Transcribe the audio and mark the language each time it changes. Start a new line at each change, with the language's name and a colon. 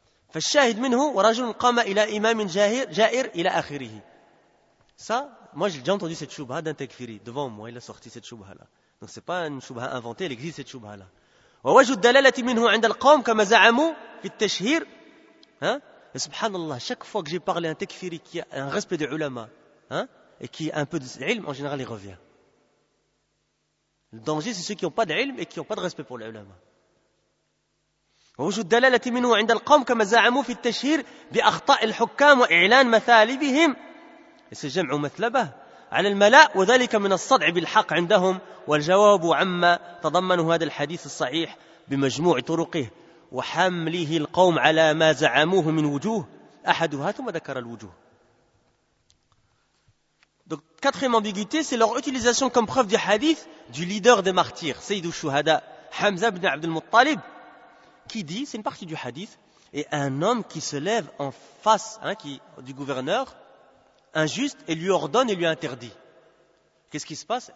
Arabic: فالشاهد منه ورجل قام إلى إمام جائر إلى آخره.
French: Ça, moi j'ai déjà entendu cette choubha d'un tekfiri. Devant moi, il a sorti cette choubha-là. Donc c'est pas une choubha inventée, il existe cette choubha-là.
Arabic: ووجه الدلالة منه عند القوم كما زعموا في التشهير.
French: سبحان الله, chaque fois que j'ai parlé à un tekfiri qui a un respect de ulama, et qui a un peu de ilm, en général il revient. Le danger, c'est ceux qui n'ont pas d'ilm et qui n'ont pas de respect pour l'ulama.
Arabic: ووجود دلالة منه عند القوم كما زعموا في التشهير بأخطاء الحكام وإعلان مثالبهم جمع مثلبة على الملاء وذلك من الصدع بالحق عندهم والجواب عما تضمنه هذا الحديث الصحيح بمجموع طرقه وحمله القوم على ما زعموه من وجوه أحدها ثم ذكر الوجوه.
French: Quatrième ambiguïté, c'est leur utilisation comme preuve du hadith du leader des martyrs, Sayyidou Shuhada, Hamza ibn Abdul Muttalib, qui dit, c'est une partie du hadith, et un homme qui se lève en face du gouverneur, injuste, et lui ordonne et lui interdit. Qu'est-ce qui se passe?